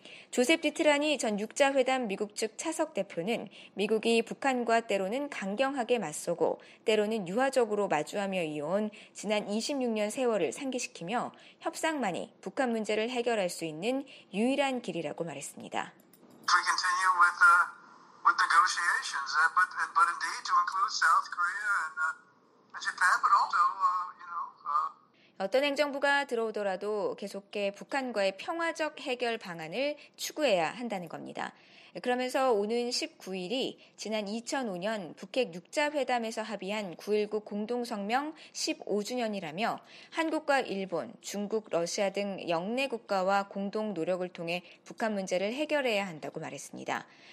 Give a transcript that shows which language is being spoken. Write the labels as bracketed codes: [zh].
[ko] 조셉 디트라니 전 6자회담 미국 측 차석 대표는 미국이 북한과 때로는 강경하게 맞서고 때로는 유화적으로 마주하며 이어온 지난 26년 세월을 상기시키며 협상만이 북한 문제를 해결할 수 있는 유일한 길이라고 말했습니다. [en] We continue with negotiations, but indeed to include South Korea and Japan, but also, you know, [ko] 어떤 행정부가 들어오더라도 계속해 북한과의 평화적 해결 방안을 추구해야 한다는 겁니다. 그러면서 오는 19일이 지난 2005년 북핵 6자회담에서 합의한 9.19 공동성명 15주년이라며 한국과 일본, 중국, 러시아 등 역내 국가와 공동 노력을 통해 북한 문제를 해결해야 한다고 말했습니다.